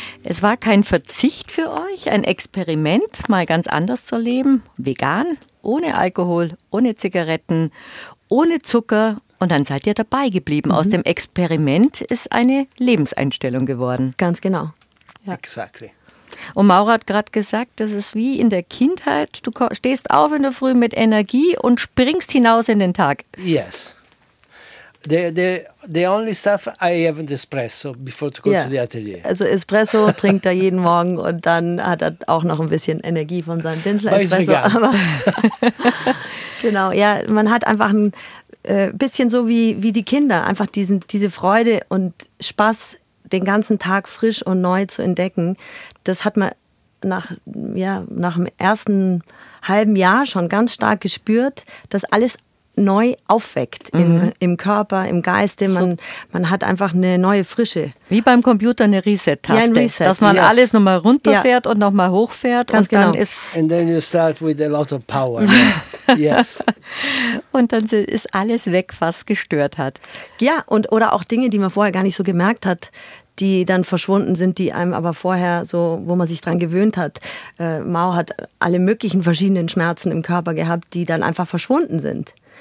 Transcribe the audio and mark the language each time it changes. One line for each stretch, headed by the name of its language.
German: Es war kein Verzicht für euch, ein Experiment, mal ganz anders zu leben, vegan, ohne Alkohol, ohne Zigaretten, ohne Zucker. Und dann seid ihr dabei geblieben. Mhm. Aus dem Experiment ist eine Lebenseinstellung geworden. Ganz genau. Ja. Exactly. Und Maura hat gerade gesagt, das ist wie in der Kindheit. Du stehst auf in der Früh mit Energie und springst hinaus in den Tag.
English: Yes. The only stuff I have is espresso before to go to the atelier.
German: Also Espresso trinkt er jeden Morgen und dann hat er auch noch ein bisschen Energie von seinem Dinsel-Espresso. Genau, ja, man hat einfach ein bisschen so wie die Kinder, einfach diese Freude und Spaß, den ganzen Tag frisch und neu zu entdecken. Das hat man nach dem ersten halben Jahr schon ganz stark gespürt, dass alles neu aufweckt im Körper, im Geiste. Man hat einfach eine neue Frische. Wie beim Computer eine Reset-Taste. Ja, ein Reset. Dass man alles nochmal runterfährt und nochmal hochfährt. Ganz und dann genau.
English: And then you start with a lot of power. Yes.
German: Und dann ist alles weg, was gestört hat. Ja, und oder auch Dinge, die man vorher gar nicht so gemerkt hat, die dann verschwunden sind, die einem aber vorher so, wo man sich dran gewöhnt hat. Mao hat alle möglichen verschiedenen Schmerzen im Körper gehabt, die dann einfach verschwunden sind.